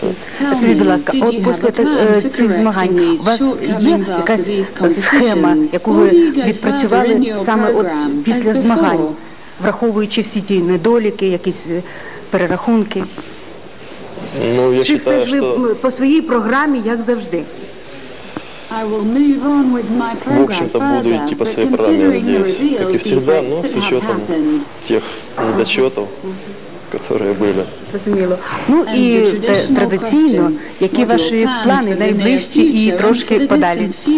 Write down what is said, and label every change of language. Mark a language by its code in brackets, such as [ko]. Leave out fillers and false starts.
[uk] Скажіть, будь ласка, от після цих змагань, у вас є якась схема, яку ви відпрацювали саме от після змагань, враховуючи всі ті недоліки, якісь перерахунки? Ну, я вважаю, що... Чи все ж ви по своїй програмі, як завжди? [ru] В общем-то, буду идти по своей программе, надеюсь, как и всегда, но с учетом тех недочетов, которые были. [uk] Розуміло. Ну і традиційно, які ваші плани найближчі і трошки подалі?